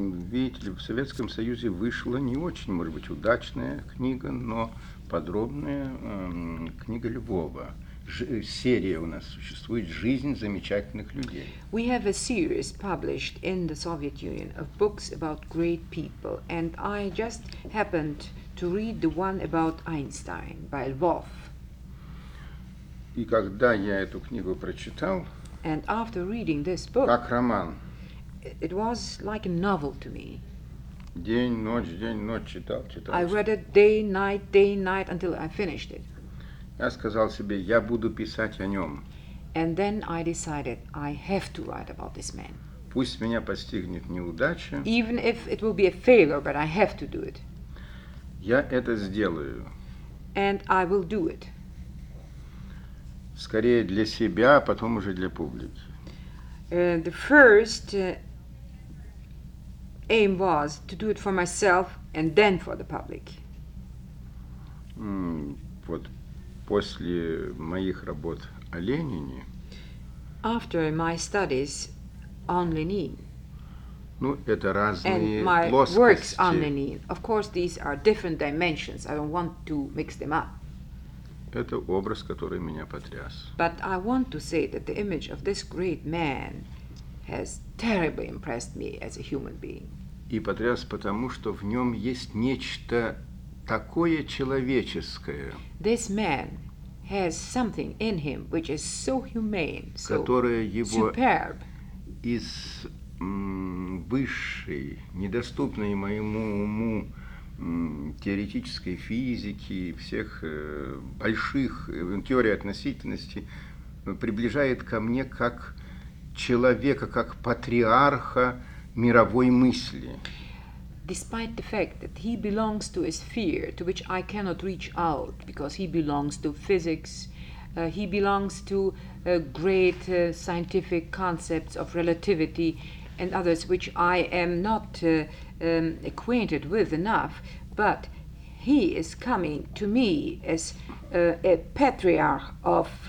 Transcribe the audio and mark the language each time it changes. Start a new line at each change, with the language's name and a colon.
Russian: Видите ли, в Советском Союзе вышла не очень, может быть, удачная книга, но подробная книга Львова. серия у нас существует «Жизнь замечательных людей».
English: We have a series published in the Soviet Union of books about great people, and I just happened to read the one about Einstein by Львов.
Russian: И когда я эту книгу прочитал,
English: and after reading this book,
Russian: как роман,
English: it was like a novel to me.
Russian: День, ночь читал, читал.
English: I read it day, night until I finished it.
Russian: Я сказал себе, я буду писать о нем.
English: And then I decided I have to write about this man.
Russian: Пусть меня постигнет неудача.
English: Even if it will be a failure, but I have to do it.
Russian: Я это сделаю.
English: And I will do it.
Russian: Скорее для себя, а потом уже для публики.
English: The first aim was to do it for myself and then for the public.
Russian: Вот после моих работ о Ленине.
English: After my studies on Lenin.
Russian: Ну, это разные
English: and my
Russian: плоскости.
English: Works on Lenin. Of course, these are different dimensions. I don't want to mix them up.
Russian: Это образ, который меня потряс.
English: But I want to say that the image of this great man has terribly impressed me as a human being.
Russian: И потряс потому, что в нем есть нечто такое человеческое.
English: This man has something in him which is so humane, so superb.
Russian: Которое его из высшей, недоступной моему уму теоретической физики, всех больших теорий относительности, приближает ко мне как человека, как патриарха мировой мысли.
English: Despite the fact that he belongs to a sphere to which I cannot reach out, because he belongs to physics, he belongs to great scientific concepts of relativity and others which I am not acquainted with enough, but he is coming to me as a patriarch of